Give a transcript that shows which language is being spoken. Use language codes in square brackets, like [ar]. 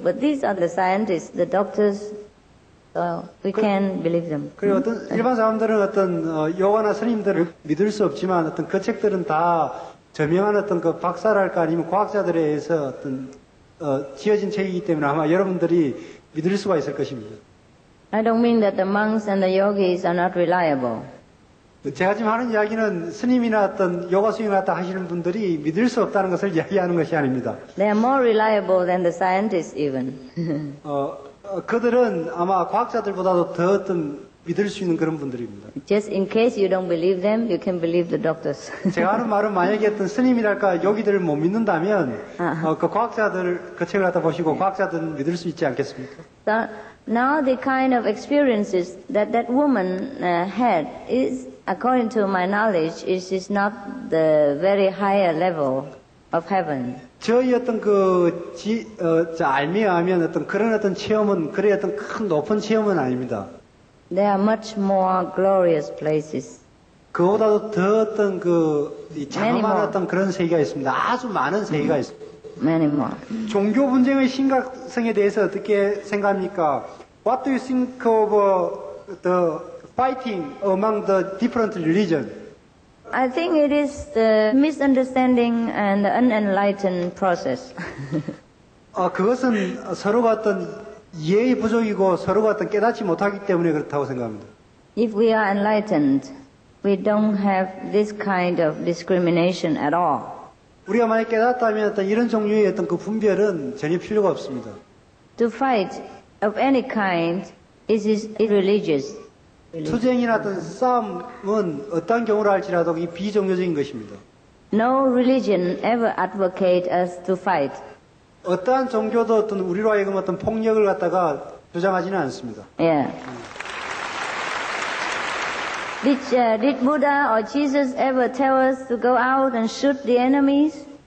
[en] But these are the scientists, the doctors. So we can believe them. [ko] 그리고 어떤 일반 사람들은 어떤 요가나 스님들을 믿을 수 없지만 어떤 그 책들은 다 저명한 어떤 그 박사랄까 아니면 과학자들에 의해서 어떤 지어진 책이기 때문에 아마 여러분들이 믿을 수가 있을 것입니다. [en] I don't mean that the monks and the yogis are not reliable. [ko] 제가 지금 하는 이야기는 스님이나 어떤 요가 수행을 갖다 하시는 분들이 믿을 수 없다는 것을 이야기하는 것이 아닙니다. [en] They are more reliable than the scientists even. [ko] 그들은 아마 과학자들보다도 더 어떤 믿을 수 있는 그런 분들입니다. [en] Just in case you don't believe them, you can believe the doctors. [ko] 제가 하는 말은 만약에 어떤 스님이랄까 여기들을 못 믿는다면 그 과학자들 그 책을 갖다 보시고 과학자들은 믿을 수 있지 않겠습니까? [en] Now the kind of experiences that woman had is according to my knowledge, it is not the very higher level of heaven. [ko] 저희 어떤 그 알미하면 어떤 그런 어떤 체험은 그래 어떤 큰 높은 체험은 아닙니다. There are much more glorious places. 그보다도 더 어떤 그 장엄한 어떤 그런 세계가 있습니다. 아주 많은 세계가 있습니다. [en] Many more. [ko] 종교 분쟁의 심각성에 대해서 어떻게 생각합니까? [en] What do you think of the fighting among the different religions? I think it is the misunderstanding and the unenlightened process. [ko] 그것은 서로가 어떤 이해의 부족이고 서로가 어떤 깨닫지 못하기 때문에 그렇다고 생각합니다. [en] If we are enlightened, we don't have this kind of discrimination at all. [ko] 우리가 만약 깨닫다면 어떤 이런 종류의 어떤 그 분별은 전혀 필요가 없습니다. [en] To fight of any kind is irreligious. [ko] 투쟁이나 어떤 싸움은 어떤 경우를 할지라도 이 비종교적인 것입니다. [en] No religion ever advocates us to fight. [ko] 어떠한 종교도 어떤 우리로 하여금 어떤 폭력을 갖다가 주장하지는 않습니다. [en] Yeah. Did Buddha or Jesus ever tell us to go out and shoot the enemies?